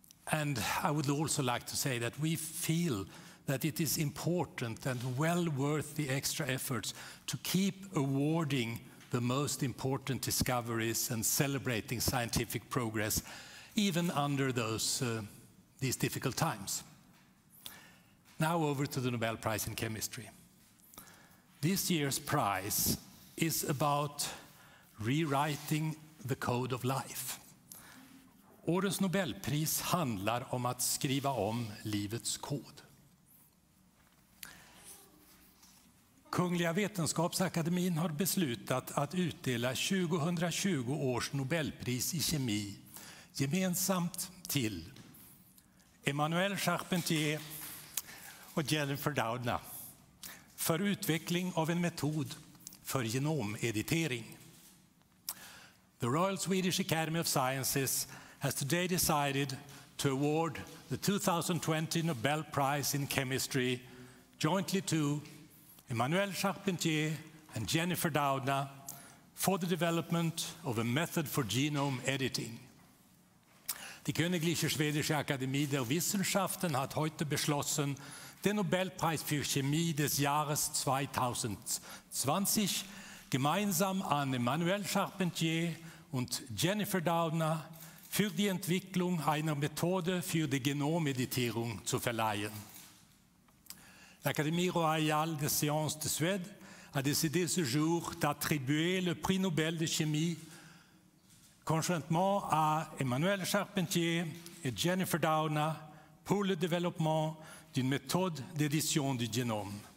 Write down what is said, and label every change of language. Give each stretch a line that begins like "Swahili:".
English: And I would also like to say that we feel that it is important and well worth the extra efforts to keep awarding the most important discoveries and celebrating scientific progress, even under these difficult times. Now over to the Nobel Prize in Chemistry. This year's prize is about rewriting the code of life.
Swedish: Årets Nobelpris handlar om att skriva om livets kod. Kungliga Vetenskapsakademin har beslutat att utdela 2020 års Nobelpris i kemi gemensamt till Emmanuelle Charpentier och Jennifer Doudna för utveckling av en metod för genomeditering.
English: The Royal Swedish Academy of Sciences has today decided to award the 2020 Nobel Prize in Chemistry jointly to Emmanuelle Charpentier and Jennifer Doudna for the development of a method for genome editing.
German: Die Königliche Schwedische Akademie der Wissenschaften hat heute beschlossen, den Nobelpreis für Chemie des Jahres 2020 gemeinsam an Emmanuelle Charpentier und Jennifer Doudna für die Entwicklung einer Methode für die Genomeditierung zu verleihen.
French: L'Académie royale des sciences de Suède a décidé ce jour d'attribuer le prix Nobel de chimie conjointement à Emmanuelle Charpentier et Jennifer Doudna pour le développement d'une méthode d'édition du génome.